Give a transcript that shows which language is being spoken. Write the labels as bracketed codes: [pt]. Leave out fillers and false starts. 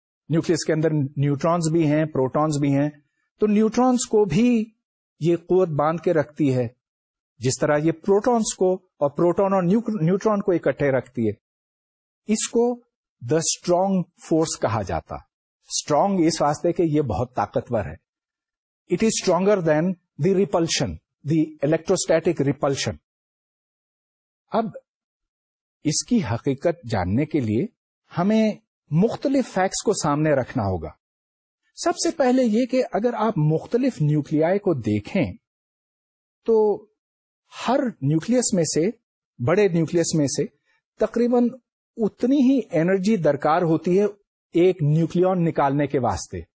[ur] Nucleus کے اندر neutrons بھی ہیں، پروٹونز بھی ہیں، تو نیوٹرانز کو بھی یہ قوت باندھ کے رکھتی ہے، جس طرح یہ پروٹونز کو اور پروٹون اور نیوٹران کو اکٹھے رکھتی ہے. اس کو دا اسٹرانگ فورس کہا جاتا. اسٹرانگ اس واسطے کہ یہ بہت طاقتور ہے. [en] It is stronger than the repulsion, the electrostatic repulsion. [ur] اب اس کی حقیقت جاننے کے لیے ہمیں مختلف فیکٹس کو سامنے رکھنا ہوگا. سب سے پہلے یہ کہ اگر آپ مختلف نیوکلیائی کو دیکھیں تو ہر نیوکلیس میں سے، بڑے نیوکلیس میں سے، تقریباً اتنی ہی انرجی درکار ہوتی ہے ایک نیوکلیون نکالنے کے واسطے.